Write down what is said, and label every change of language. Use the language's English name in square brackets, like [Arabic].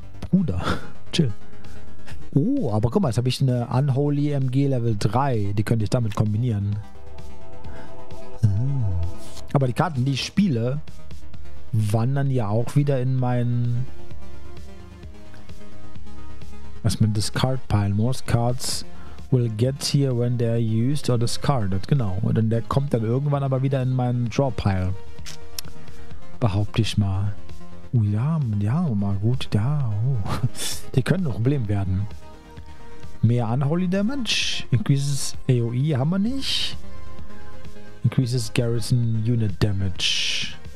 [German] Bruder, chill. Oh, aber guck mal, jetzt habe ich eine Unholy MG Level 3. Die könnte ich damit kombinieren. Aber die Karten, die ich spiele, wandern ja auch wieder in meinen. Was mit Discard Pile? [English] Most cards will get here when they're used or discarded. [German] Genau. Und dann der kommt dann irgendwann aber wieder in meinen Draw Pile. Behaupte ich mal. Oh ja, ja, mal gut. Ja, oh. Die können ein Problem werden. Mehr Unholy Damage. [English] Increases AOE haben wir nicht. Increases Garrison Unit Damage.